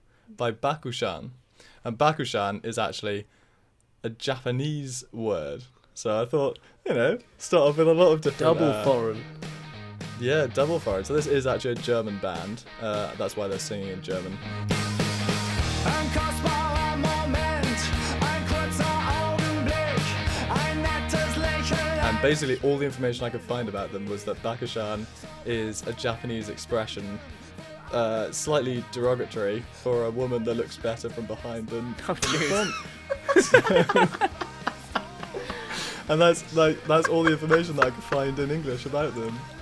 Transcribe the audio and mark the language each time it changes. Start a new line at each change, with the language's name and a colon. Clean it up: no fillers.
English: By Bakushan. And Bakushan is actually a Japanese word. So I thought, you know, start off with a lot of different... Double foreign. Yeah, double foreign. So this is actually a German band. That's why they're singing in German.
German: Ein kostbarer Moment, ein kurzer Augenblick, ein nettes Lächeln.
English: And basically all the information I could find about them was that Bakushan is a Japanese expression, slightly derogatory, for a woman that looks better from behind than the front. And that's all the information that I could find in English about them.